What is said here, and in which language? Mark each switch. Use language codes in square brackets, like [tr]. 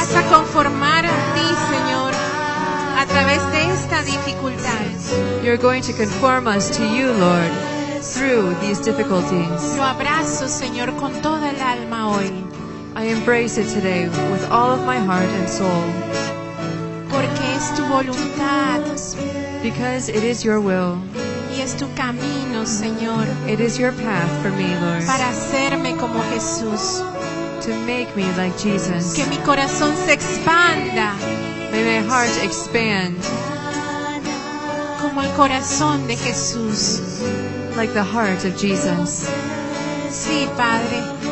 [es] Conformar a ti, Señor, a través de esta dificultad. [en] You're going to conform us to you, Lord, through these difficulties. [es] Lo abrazo, Señor, con toda el alma hoy. [en] I embrace it today with all of my heart and soul. [es] Porque es tu voluntad. [en] Because it is your will. [es] Y es tu camino, Señor. [en] It is your path for me, Lord. [es] Para hacerme como Jesús. [en] To make me like Jesus. [es] Que mi corazón se expanda. [en] May my heart expand. [es] Como el corazón de Jesús. [en] Like the heart of Jesus. [es] Sí, Padre.